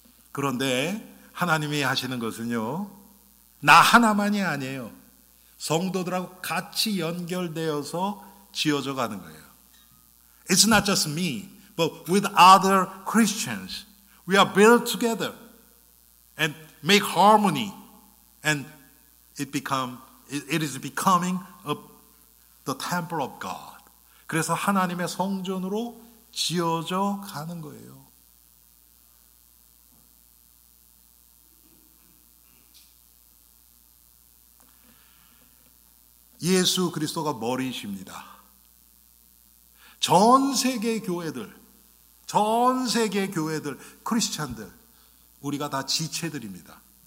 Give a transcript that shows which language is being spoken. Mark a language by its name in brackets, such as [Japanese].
[Korean] 그런데 하나님이 하시는 것은요, 나 하나만이 아니에요. 성도들하고 같이 연결되어서 지어져 가는 거예요. [English] It's not just me, but with other Christians. We are built together and make harmony. And it is becoming the temple of God. [Korean] 그래서 하나님의 성전으로 지어져 가는 거예요. 예수 그리스도가 머리이십니다. 전 세계 교회들, 크리스찬들, 우리가 다 지체들입니다.